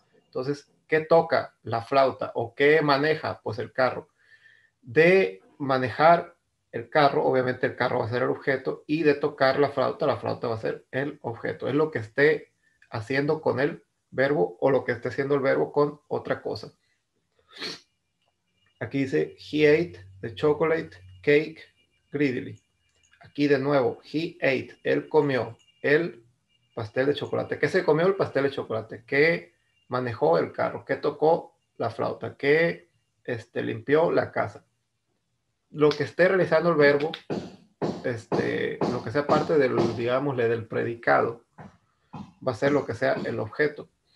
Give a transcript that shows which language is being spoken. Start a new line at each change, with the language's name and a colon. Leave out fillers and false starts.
Spanish: Entonces, ¿qué toca? La flauta. ¿O qué maneja? Pues el carro. De manejar el carro, obviamente el carro va a ser el objeto, y de tocar la flauta va a ser el objeto. Es lo que esté haciendo con el verbo o lo que esté haciendo el verbo con otra cosa. Aquí dice,
English: he ate the chocolate cake greedily.
Spanish: Aquí de nuevo,
English: he ate,
Spanish: él comió el pastel de chocolate. ¿Qué se comió el pastel de chocolate? ¿Qué manejó el carro? ¿Qué tocó la flauta? ¿Qué limpió la casa? Lo que esté realizando el verbo, lo que sea parte del, digámosle, del predicado, va a ser lo que sea el objeto.